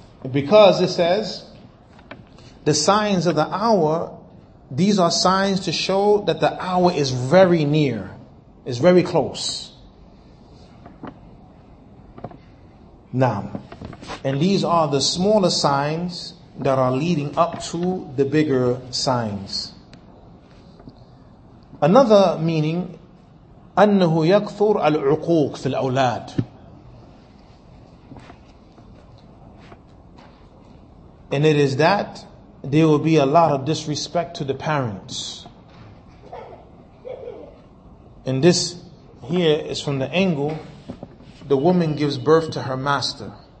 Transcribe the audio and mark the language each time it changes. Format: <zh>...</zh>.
<en>Because it says, the signs of the hour, these are signs to show that the hour is very near, is very close. Naam. And these are the smaller signs that are leading up to the bigger signs. Another meaning,</en> <ar>أنه يكثر العقوق في الأولاد.</ar> <en>And it is that there will be a lot of disrespect to the parents. And this here is from the angle, the woman gives birth to her master.</en>